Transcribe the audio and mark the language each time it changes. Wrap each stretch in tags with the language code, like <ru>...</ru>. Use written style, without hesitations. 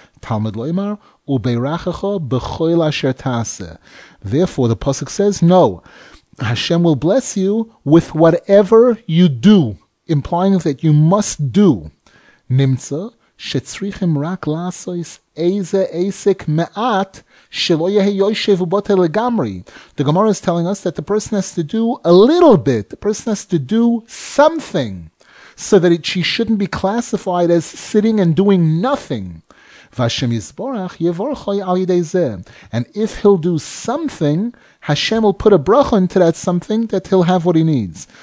<he>Talmud loymar, ubeirachecho b'choil asher ta'aseh.</he> <en>Therefore, the pasuk says, no, Hashem will bless you with whatever you do, implying that you must do. Nimtza,</en> <he>שצריכים רק לעשות איזה עסק מעט שלא יהיה יושב ובוטל לגמרי.</he> <en>The Gemara is telling us that the person has to do a little bit. The person has to do something so that she shouldn't be classified as sitting and doing nothing.</en> <he>V'Hashem Yisborach Yevorchoy al Yidei Zeh.</he> <en>And if he'll do something, Hashem will put a bracha into that something that he'll have what he needs.</en>